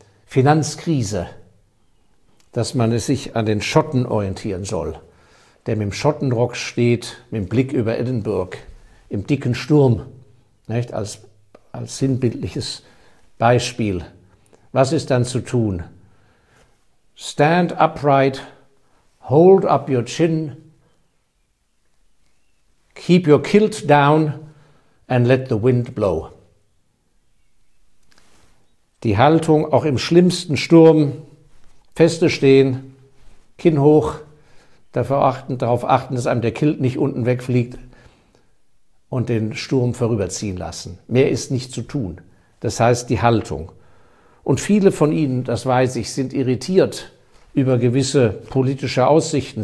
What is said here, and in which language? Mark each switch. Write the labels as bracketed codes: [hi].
[de] Finanzkrise, dass man es sich an den Schotten orientieren soll, der mit dem Schottenrock steht, mit dem Blick über Edinburgh, im dicken Sturm, nicht? Als sinnbildliches Beispiel. Was ist dann zu tun? [en] Stand upright, hold up your chin, keep your kilt down and let the wind blow. [de] Die Haltung auch im schlimmsten Sturm, feste stehen, Kinn hoch, darauf achten, dass einem der Kilt nicht unten wegfliegt und den Sturm vorüberziehen lassen. Mehr ist nicht zu tun. Das heißt die Haltung. Und viele von Ihnen, das weiß ich, sind irritiert über gewisse politische Aussichten.